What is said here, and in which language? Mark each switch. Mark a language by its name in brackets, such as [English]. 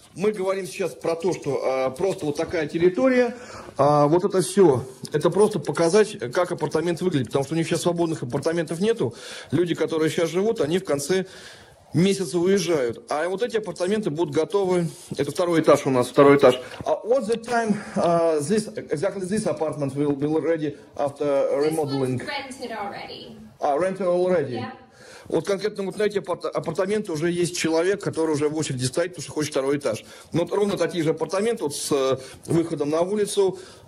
[Russian] Мы говорим сейчас про то, что просто вот такая территория, вот это все, это просто показать, как апартамент выглядит, потому что у них сейчас свободных апартаментов нету. Люди, которые сейчас живут, они в конце... месяца уезжают, а вот эти апартаменты будут готовы. Это второй этаж у нас, второй этаж. [English] What's the time this exactly this apartment will be ready after remodeling? This one's rented already. Rented already. Yeah. [Russian] Вот конкретно вот на эти апартаменты уже есть человек, который уже в очереди стоит, потому что хочет второй этаж. Но вот ровно такие же апартаменты вот с выходом на улицу.